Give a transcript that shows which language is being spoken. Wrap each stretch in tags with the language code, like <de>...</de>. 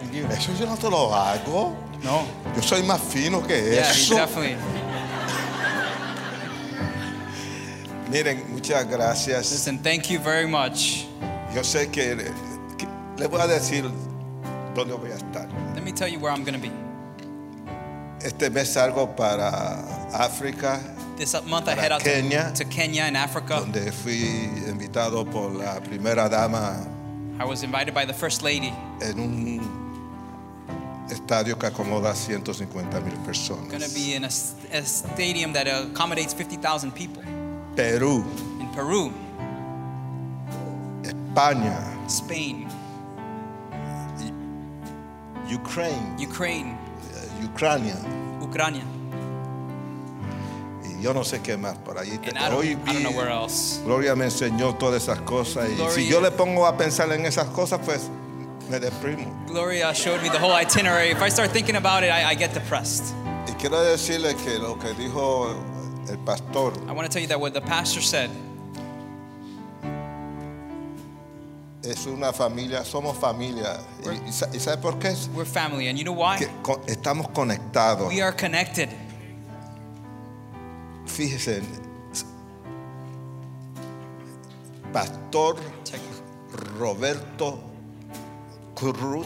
<es>Eso yo no te lo hago. No. Yo soy más fino que</es> <en>yeah,</en> <es>eso.</es> <en>Definitely.</en> <es>Miren, muchas gracias.</es> <en>Listen, thank you very much.</en> <es>Yo sé que le voy a decir dónde voy a estar.</es> <en>Let me tell you where I'm going to be.</en> <es>Este mes salgo para África.</es> <en>This month I head out Kenya, to Kenya in Africa.</en> <es>Donde fui invitado por la primera dama.</es> <en>I was invited by the first lady.</en> <es>En un estadio que acomoda 150,000 personas.</es> <en>Going to be in a stadium that accommodates 50,000 people. Peru. In Peru.</en> <es>España.</es> <en>Spain. Ukraine. Ukraine.</en> <es>Ucrania. Ucrania. Yo no sé qué más por ahí. Hoy vi, Gloria me enseñó todas esas cosas. Gloria, y si yo le pongo a pensar en esas cosas, pues me deprimo.</es> <en>Gloria showed me the whole itinerary. If I start thinking about it, I get depressed.</en> <es>Y quiero decirle que lo que dijo el pastor.</es> <en>I want to tell you that what the pastor said.</en> <es>Es una familia, somos familia. ¿Y sabes por qué?</es> <en>We're family, and you know why?</en> <es>Que estamos conectados.</es> <en>We are connected.</en> <es>Fíjese, Pastor Roberto Cruz.</es>